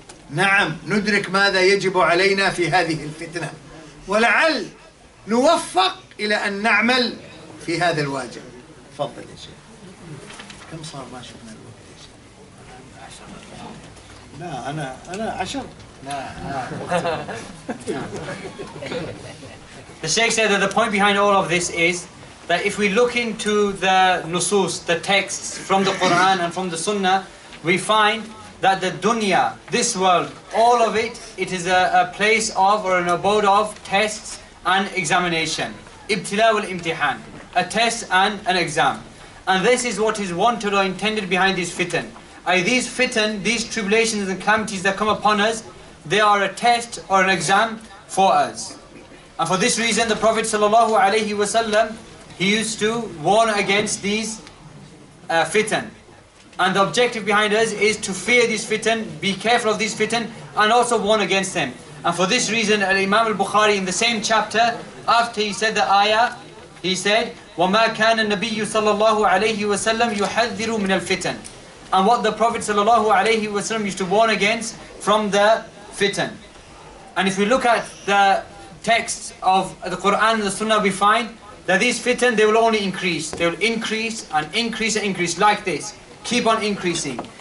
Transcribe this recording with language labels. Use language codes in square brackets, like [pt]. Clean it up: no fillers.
[ar] نعم، ندرك ماذا يجب علينا في هذه الفتنة، ولعل نوفق إلى أن نعمل في هذا الواجب. تفضل يا شيخ. كم صار ما شفنا الوقت يا شيخ؟ أنا 10. [en] The Sheikh said that the point behind all of this is that if we look into the nusus, the texts from the Quran and from the Sunnah, we find that the dunya, this world, all of it, it is a place of or an abode of tests and examination. [ar] Ibtila wal imtihan, [en] a test and an exam. And this is what is wanted or intended behind this fitan. These fitan, these tribulations and calamities that come upon us, they are a test or an exam for us. And for this reason, the Prophet sallallahu alayhi wasallam, he used to warn against these fitan. And the objective behind us is to fear these fitan, be careful of these fitan, and also warn against them. And for this reason, Imam al-Bukhari in the same chapter, after he said the ayah, He said, [ar] وَمَا كَانَ النَّبِيُّ صَلَّى اللَّهُ عَلَيْهِ وَسَلَّمْ يُحَذِّرُ مِنَ الْفِتَنِ. [en] And what the Prophet sallallahu alayhi wa sallam used to warn against from the fitan. And if we look at the texts of the Quran and the Sunnah, we find that these fitan, they will only increase. They will increase and increase and increase like this. Keep on increasing.